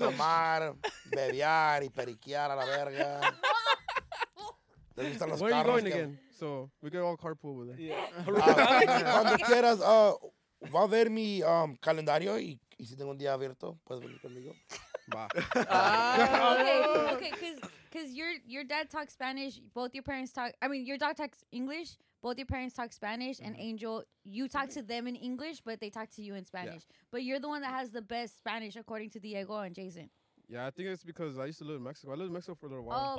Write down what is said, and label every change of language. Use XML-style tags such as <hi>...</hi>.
<es>tomar, bebiar y periquear a la verga.</es> <en>Where are you going again? So, we can all carpool with it. Yeah.</en> <es>Cuando quieras, va a ver mi calendario y si tengo un día abierto, puedes venir conmigo. Va.</es> <en>Okay, because your dad talks Spanish, both your parents talk, I mean, your dog talks English, both your parents talk Spanish, mm-hmm. And Angel, you talk to them in English, but they talk to you in Spanish. Yeah. But you're the one that has the best Spanish, according to Diego and Jason. Yeah, I think it's because I used to live in Mexico. I lived in Mexico for a little while.</en>